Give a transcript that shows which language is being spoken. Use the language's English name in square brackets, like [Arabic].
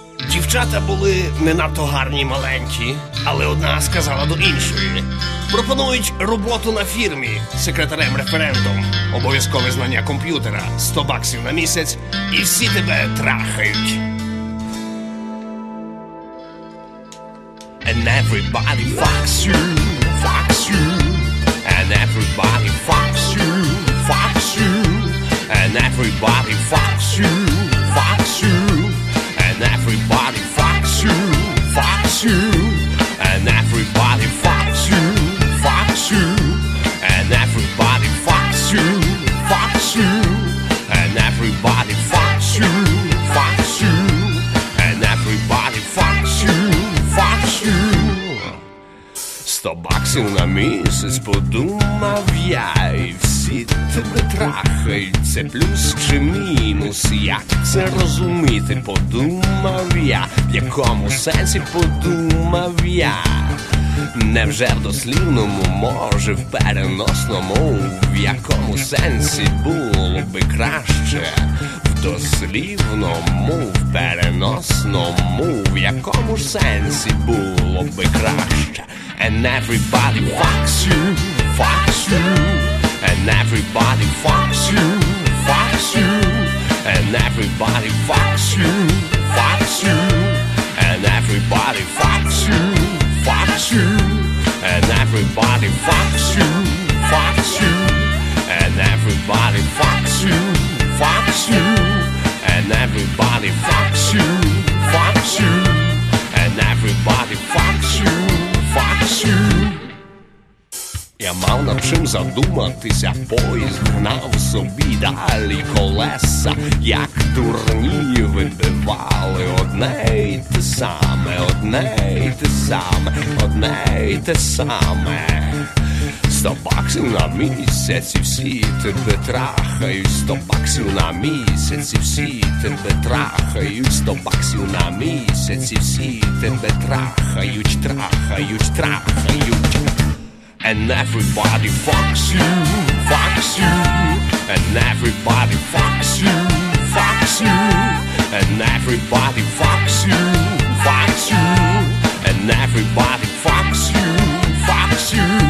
[Ukrainian] Дівчата були не надто гарні маленькі, але одна сказала до іншої. Пропонують роботу на фірмі секретарем-референтом, обов'язкове знання комп'ютера, 100 баксів на місяць, і всі тебе трахають. [English] And everybody fucks you, fucks you. And everybody fucks you, fucks you. And everybody fucks you, fucks you. And everybody fucks you, fucks you. And everybody fucks you, fucks you. And everybody fucks you, fucks you. And everybody fucks you, fucks you. And everybody fucks you, fucks you. [Ukrainian] 100 баксів на місяць подумав я, і всі тебе трахають, це плюс чи мінус, як це розуміти, подумав я, в якому сенсі подумав я. Невже в дослівному, може в переносному, в якому сенсі було би краще? В дослівному, в переносному, в якому ж сенсі було би краще? [English] And everybody fucks you, fucks you. And everybody fucks you, fucks you. And everybody fucks you, fucks you. And everybody fucks you, fucks you. And everybody fucks you, fucks you. And everybody fucks you, fucks you. And everybody fucks you, fucks you. And everybody fucks you. [Ukrainian] Я мав над чим задуматися, поїзд гнав собі далі колеса, як дурні вибивали одне й те саме, одне й те саме, одне й те саме. 100 баксів на місяць, і всі тебе трахають, 100 баксів на місяць, і всі тебе трахають, 100 баксів на місяць, і всі тебе трахають, трахають, трахають. [English] And everybody fucks you, fucks you. And everybody fucks you, fucks you. And everybody fucks you, fucks you. And everybody fucks you, fucks you.